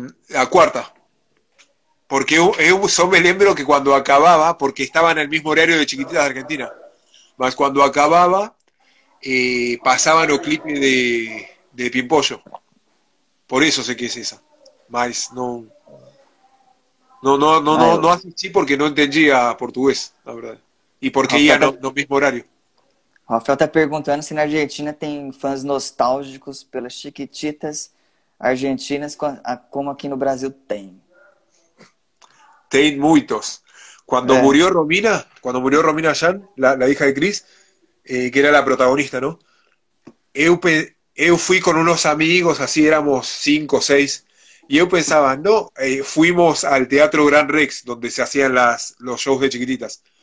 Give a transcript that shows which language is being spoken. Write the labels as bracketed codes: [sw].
[es] La cuarta, porque yo solo me lembro que cuando acababa, porque estaba en el mismo horario de Chiquititas de Argentina, mas cuando acababa, pasaban el clip de Pimpollo, por eso sé que es esa, mas no asistí porque no entendía portugués, la verdad, y porque iba en el mismo horario. [pt] Rafael está perguntando se na Argentina tem fãs nostálgicos pelas Chiquititas argentinas, como aqui no Brasil tem. Tem muitos. Quando É. [es] morreu Romina, Jan, la hija de Cris, que era la protagonista, ¿no? [pt] Eu fui [es] con unos amigos, así éramos 5 o 6, Y yo pensaba, no, fuimos al Teatro Gran Rex, donde se hacían los shows de chiquititas.